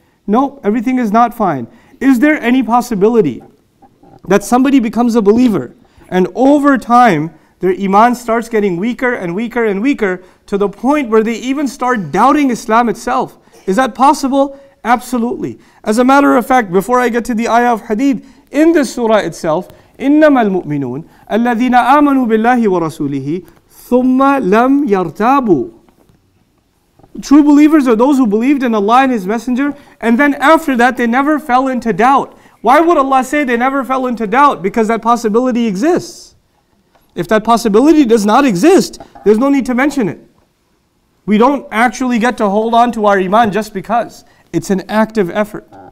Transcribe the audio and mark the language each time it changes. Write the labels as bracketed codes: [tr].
[en] No, everything is not fine. Is there any possibility that somebody becomes a believer and over time their iman starts getting weaker and weaker and weaker to the point where they even start doubting Islam itself? Is that possible? Absolutely. As a matter of fact, before I get to the ayah of hadith, in this surah itself, [ar] إنما المؤمنون الذين آمنوا بالله ورسوله ثم لم يرتابوا. [en] True believers are those who believed in Allah and His Messenger, and then after that they never fell into doubt. Why would Allah say they never fell into doubt? Because that possibility exists. If that possibility does not exist, there's no need to mention it. We don't actually get to hold on to our iman just because. It's an active effort.